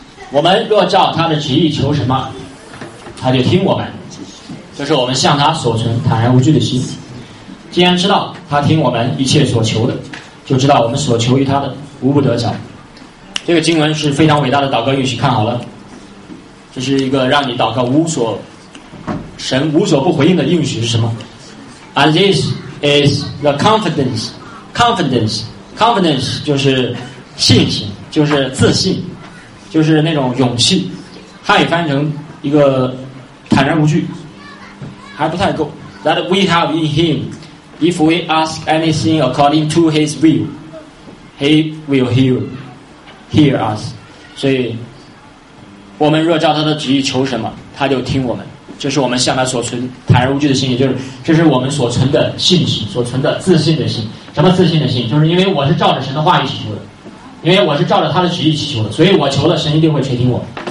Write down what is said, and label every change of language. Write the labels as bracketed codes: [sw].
[zh] 我们若照他的旨意求什么，他就听我们，就是我们向他所存坦然无惧的心。既然知道他听我们一切所求的，就知道我们所求于他的无不得着。这个经文是非常伟大的祷告应许，看好了，这是一个让你祷告无所神无所不回应的应许。是什么？ [en] And this is the confidence. Confidence. [zh] Confidence 就是信心，就是自信，就是那种勇气。汉语翻译成一个坦然无惧还不太够。 [en] That we have in him, if we ask anything according to his will, he will hear us. [zh] 所以我们若照他的旨意求什么，他就听我们，这是我们向他所存坦然无惧的信心，就是这是我们所存的信心，所存的自信的心。什么自信的心？就是因为我是照着神的话语祈求的，因为我是照着他的旨意祈求的，所以我求了神一定会垂听我。